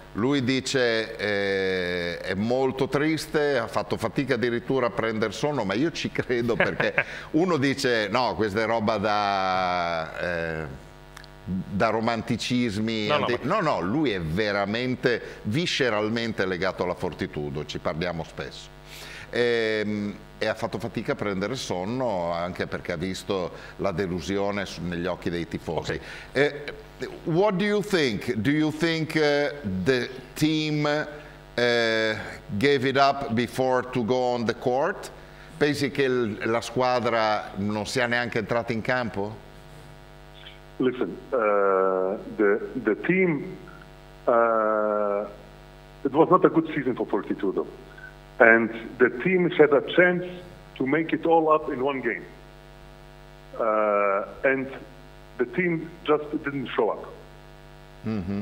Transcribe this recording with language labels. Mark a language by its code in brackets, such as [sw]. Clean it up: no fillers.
[it] Lui dice è molto triste, ha fatto fatica addirittura a prendere sonno, ma io ci credo perché uno dice no, questa è roba da romanticismi. No, lui è veramente visceralmente legato alla Fortitudo, ci parliamo spesso. E ha fatto fatica a prendere sonno anche perché ha visto la delusione negli occhi dei tifosi. [en] Okay. What do you think? Do you think the team gave it up before to go on the court? [it] Pensi che la squadra non sia neanche entrata in campo? [en] Listen, the team, it was not a good season for Fortitudo. And the team had a chance to make it all up in one game. And the team just didn't show up. Mm-hmm.